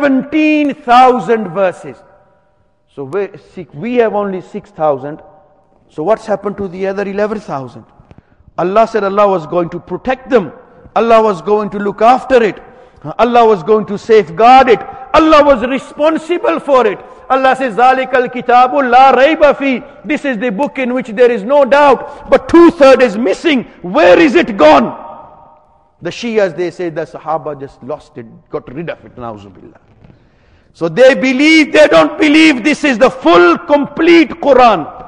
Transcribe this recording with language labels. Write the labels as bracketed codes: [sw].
[en] 17,000 verses. So we have only 6,000. So what's happened to the other 11,000? Allah said Allah was going to protect them. Allah was going to look after it. Allah was going to safeguard it. Allah was responsible for it. [ar] Allah says, ذَلِكَ الْكِتَابُ لَا رَيْبَ فِي. [en] This is the book in which there is no doubt. But two-thirds is missing. Where is it gone? The Shias, they say, the Sahaba just lost it, got rid of it, na'uzubillah. So they believe, they don't believe this is the full, complete Quran.